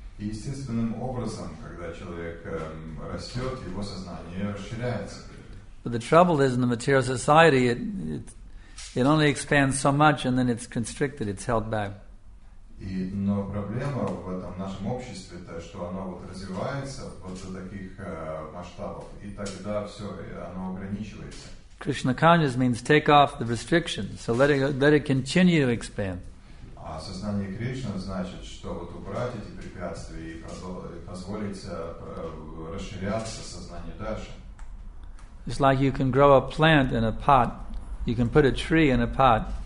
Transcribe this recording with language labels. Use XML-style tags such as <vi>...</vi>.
<ru>Естественным образом, когда человек растет, его сознание расширяется.</ru> <en>But the trouble is, in the material society, it only expands so much, and then it's constricted, it's held back.</en> <ru>Но проблема в этом нашем обществе то, что оно вот развивается вот до таких масштабов, и тогда все, оно ограничивается.</ru> <en>Krishna consciousness means take off the restrictions, so let it continue to expand.</en> <ru>А сознание Кришна значит, что вот убрать эти препятствия и позволить расширяться сознание дальше.</ru> <en>It's like you can grow a plant in a pot. You can put a tree in a pot.</en>